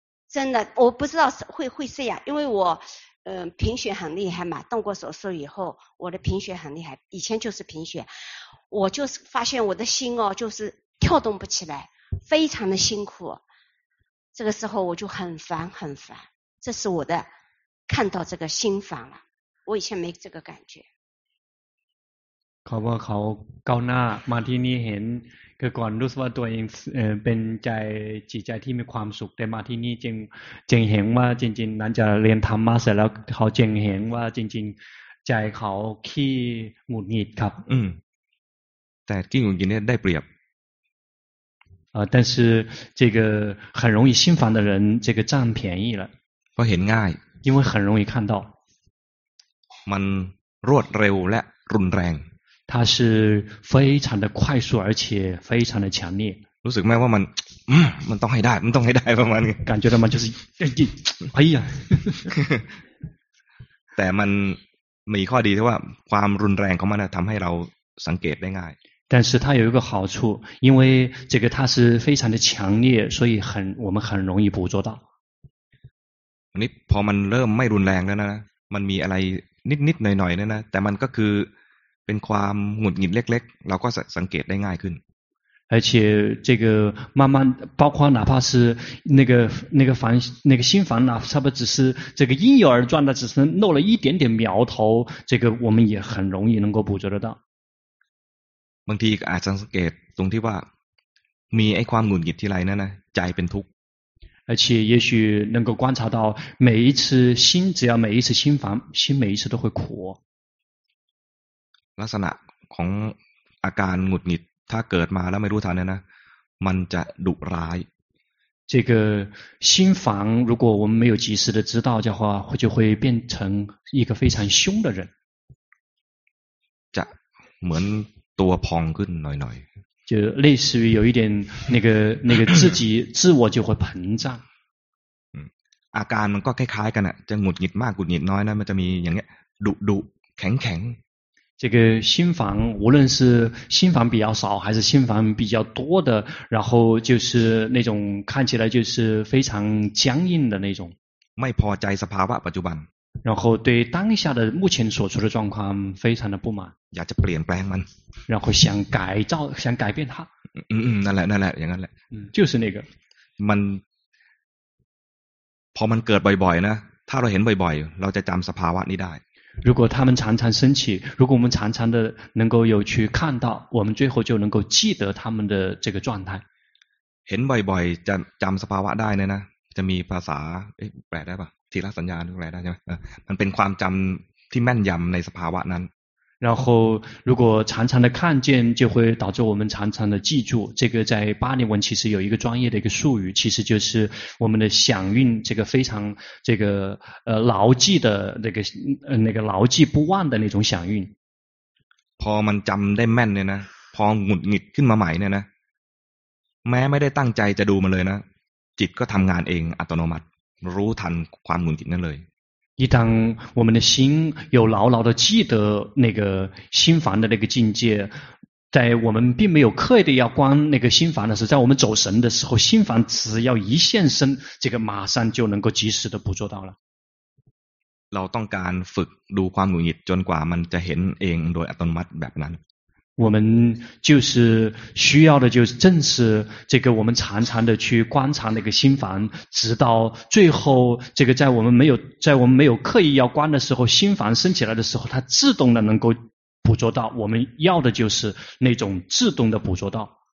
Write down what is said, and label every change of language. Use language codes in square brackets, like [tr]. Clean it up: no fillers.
[zh] 真的我不知道会这样因为我贫血很厉害嘛动过手术以后我的贫血很厉害以前就是贫血我就是发现我的心哦就是跳动不起来非常的辛苦这个时候我就很烦很烦这是我的看到这个心烦了我以前没这个感觉 [th] เขาบอกเขาก้าวหน้ามาที่นี่เห็นคือก่อนรู้สึกว่าตัวเองเป็นใจจิตใจที่มีความสุขแต่มาที่นี่จึงเห็นว่าจริงๆนั้นจะเรียนธรรมมาเสร็จแล้วเขาจึงเห็นว่าจริงๆใจเขาขี้หงุดหงิดครับ แต่ขี้หงุดหงิดเนี่ยได้เปรียบ [zh] 但是这个很容易心烦的人这个占便宜了 [th] เพราะเห็นง่าย [zh] 因为很容易看到 [th] มันรวดเร็วและรุนแรง [zh] 它是非常的快速而且非常的强烈 [th] รู้สึกไหมว่ามันมันต้องให้ได้มันต้องให้ได้ประมาณนี้ [zh] 感觉到吗就是哎呀哎呀 [th] แต่มันมีข้อดีที่ว่าความรุนแรงของมันทำให้เราสังเกตได้ง่าย [zh] 但是它有一个好处因为这个它是非常的强烈所以我们很容易捕捉到 [th] อันนี้พอมันเริ่มไม่รุนแรงแล้วนะมันมีอะไรนิดๆหน่อยๆนะแต่มันก็คือเป็นความหงุดหงิดเล็กๆเราก็สังเกตได้ง่ายขึ้น [zh] 而且这个慢慢包括哪怕是那个烦那个心烦哪怕只是这个因由而转的只是漏了一点点苗头这个我们也很容易能够捕捉得到 [th] บางทีอาจจะสังเกตตรงที่ว่ามีไอ้ความหงุดหงิดที่ไรนั่นนะใจเป็นทุกข์ [zh] 而且也许能够观察到每一次心只要每一次心烦心每一次都会苦 [th] ลักษณะของอาการหงุดหงิดถ้าเกิดมาแล้วไม่รู้ทันนะมันจะดุร้าย [zh] 这个心烦如果我们没有及时的知道的话就会变成一个非常凶的人 [th] จะเหมือนตัวพองขึ้นหน่อย [zh] ๆ就类似于有一点那个自己自我就会膨胀 [th] อาการมันก็คล้ายๆกันจะหงุดหงิดมากหงุดหงิดน้อยนะมันจะมีอย่างเงี้ยดุแข็งๆ [zh] 这个心房无论是心房比较少还是心房比较多的然后就是那种看起来就是非常僵硬的那种 [th] ไม่พอใจสภาวะปัจจุบัน [zh] 然后对当下的目前所处的状况非常的不满 [th] อยากจะเปลี่ยนแปลงมัน [zh] 然后想改造想改变它 [th] นั่นแหละนั่นแหละอย่างนั้นแหละ [zh] 就是那个 [th] มันพอมันเกิดบ่อยๆนะถ้าเราเห็นบ่อยๆเราจะจำสภาวะนี้ได้ [zh] 如果他们常常升起，如果我们常常的能够有去看到，我们最后就能够记得他们的这个状态。 [th] เห็นบ่อยๆจำสภาวะได้เนี่ยนะจะมีภาษาแปลได้ป่ะทีละสัญญาณแปลได้ใช่ไหมมันเป็นความจำที่แม่นยำในสภาวะนั้น [zh] 然后如果常常的看见就会导致我们常常的记住这个在巴利文其实有一个专业的一个术语其实就是我们的响应这个非常这个牢记的那个牢记不忘的那种响应 [th] พอมันจำได้แม่นเนี่ยนะพอหงุดหงิดขึ้นมาใหม่เนี่ยนะแม้ไม่ได้ตั้งใจจะดูมันเลยนะจิตก็ทำงานเองอัตโนมัติรู้ทันความหงุดหงิดนั่นเลย [zh] 一旦我们的心有牢牢的记得那个心烦的那个境界在我们并没有刻意的要观那个心烦的时候在我们走神的时候心烦只要一现身这个马上就能够及时的捕捉到了 [th] เราต้องการฝึกดูความหงุดหงิดจนกว่ามันจะเห็นเองโดยอัตโนมัติแบบนั้น [zh] 我们就是需要的就是正是这个我们常常的去观察那个心烦直到最后这个在我们没有刻意要观的时候心烦升起来的时候它自动的能够捕捉到，我们要的就是那种自动的捕捉到。